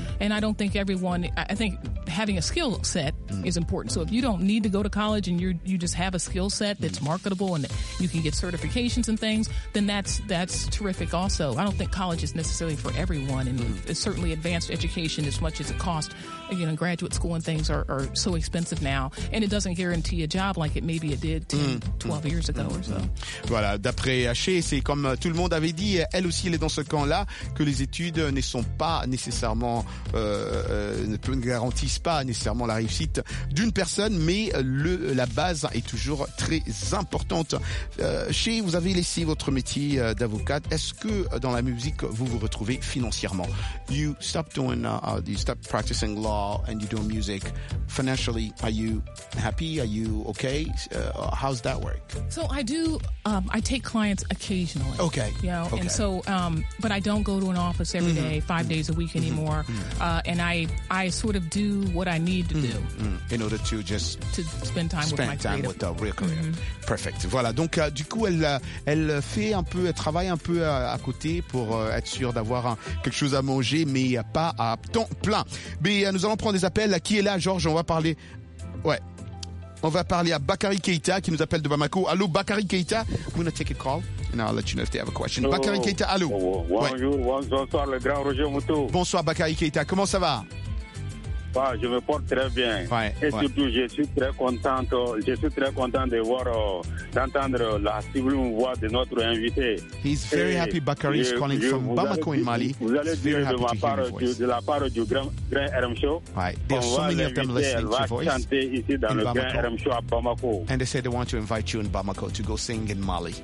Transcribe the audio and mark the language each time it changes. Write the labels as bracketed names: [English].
[English] And I don't think everyone, I think having a skill set is important. So if you don't need to go to college and you just have a skill set that's marketable and you can get certifications and things, then that's terrific also. I don't think college is necessarily for everyone. And it's certainly advanced education, as much as it costs, you know, graduate school and things are so expensive now. And it doesn't guarantee a job like it maybe it did 10, 12 years ago or so. [French] Voilà, d'après Haché, c'est comme tout le monde avait dit, elle aussi elle est dans ce camp-là, que les études ne sont pas nécessairement ne garantissent pas nécessairement la réussite d'une personne, mais la base est toujours très importante. Chez vous avez laissé votre métier d'avocate, est-ce que dans la musique vous vous retrouvez financièrement? [English] You stopped doing you stopped practicing law and you're doing music. Financially, are you happy? Are you okay? How's that work? So I do I take clients occasionally. Okay. You know, okay. And so but I don't go to an office every day, 5 days a week anymore. And I sort of do what I need to do. In order to just spend time with the real career. Perfect. Voilà. [French] Donc, du coup, elle travaille un peu à côté pour être sûre d'avoir quelque chose à manger, mais pas à temps plein. Mais nous allons prendre des appels. Qui est là, Georges? On va parler. Ouais. On va parler à Bakary Keita qui nous appelle de Bamako. [English] Allô, Bakary Keita. We're going to take a call. Now I'll let you know if they have a question. [French] Bakary Keita, allô. Bonjour, bonsoir, le grand Roger Moutou. Bonsoir, Bakary Keita. Comment ça va? Bah, je me porte très bien. Ouais, et surtout, je suis très content de voir, d'entendre la sublime voix de notre invité. [English] He's very happy, Bakary is calling from Bamako in Mali. [French] Vous allez dire de ma part, de la part du grand RM Show. [English] Ouais, there are so many of them listening to your voice. [French] Ici dans le grand RM Show à Bamako. [English] And they said they want to invite you in Bamako to go sing in Mali.